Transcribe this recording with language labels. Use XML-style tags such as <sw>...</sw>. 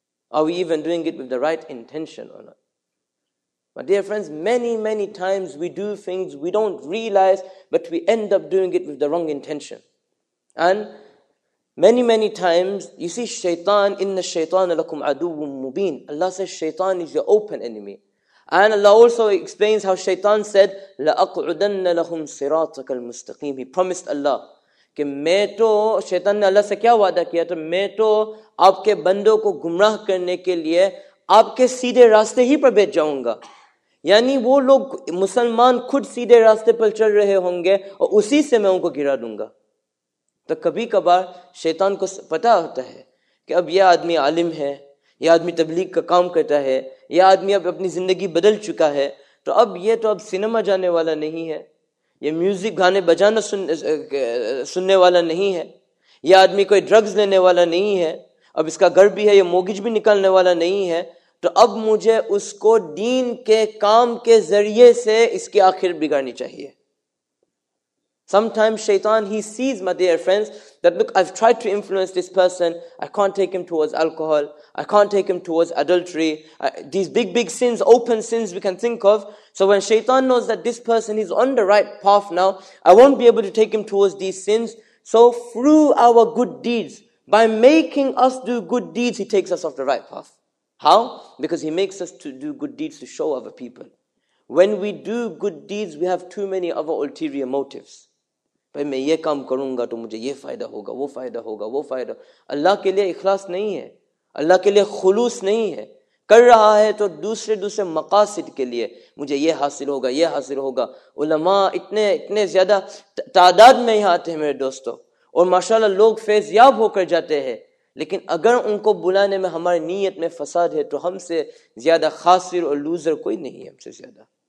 <en>Are we even doing it with the right intention or not? My dear friends, many, many times we do things we don't realize, but we end up doing it with the wrong intention. And many, many times, you see, shaitan,</en> <ar>inna shaitan lakum aduwwun mubeen.</ar> <en>Allah says shaitan is your open enemy. And Allah also explains how shaitan said,</en> <ar>لَأَقْعُدَنَّ لَهُمْ صِرَاطَكَ الْمُسْتَقِيمِ.</ar> <en>He promised Allah,</en> <ur>کہ میں تو, شیطان نے اللہ سے کیا وعدہ کیا تھا, میں تو آپ کے بندوں کو گمراہ کرنے کے لیے آپ کے سیدھے راستے ہی پر بیٹھ جاؤں گا. یعنی وہ لوگ مسلمان خود سیدھے راستے پر چل رہے ہوں گے اور اسی سے میں ان کو گرا دوں گا. تو کبھی کبھار شیطان کو پتہ ہوتا ہے کہ اب یہ آدمی عالم ہے, یہ آدمی تبلیغ کا کام کرتا ہے, یہ آدمی اب اپنی زندگی بدل چکا ہے, تو اب یہ تو اب سینما جانے والا نہیں ہے, یہ میوزک گانے بجانا سننے والا نہیں ہے, یہ آدمی کوئی ڈرگز لینے والا نہیں ہے, اب اس کا گھر بھی ہے, یہ موگج بھی نکالنے والا نہیں ہے, تو اب مجھے اس کو دین کے کام کے ذریعے سے اس کی آخر بگاڑنی چاہیے.</ur> <en>Sometimes shaitan, he sees, my dear friends, that look, I've tried to influence this person, I can't take him towards alcohol, I can't take him towards adultery, these big, big sins, open sins we can think of. So when shaitan knows that this person is on the right path now, I won't be able to take him towards these sins. So through our good deeds, by making us do good deeds, he takes us off the right path. How? Because he makes us to do good deeds to show other people. When we do good deeds, we have too many other ulterior motives.</en> <ur>بھائی میں یہ کام کروں گا تو مجھے یہ فائدہ ہوگا, وہ فائدہ ہوگا, وہ فائدہ. اللہ کے لیے اخلاص نہیں ہے, اللہ کے لیے خلوص نہیں ہے, کر رہا ہے تو دوسرے دوسرے مقاصد کے لیے, مجھے یہ حاصل ہوگا یہ حاصل ہوگا. علماء اتنے اتنے زیادہ تعداد میں یہاں آتے ہیں میرے دوستوں, اور ماشاءاللہ لوگ فیض یاب ہو کر جاتے ہیں, لیکن اگر ان کو بلانے میں ہماری نیت میں فساد ہے تو ہم سے زیادہ خاسر اور لوزر کوئی نہیں ہے. ہم سے زیادہ</ur>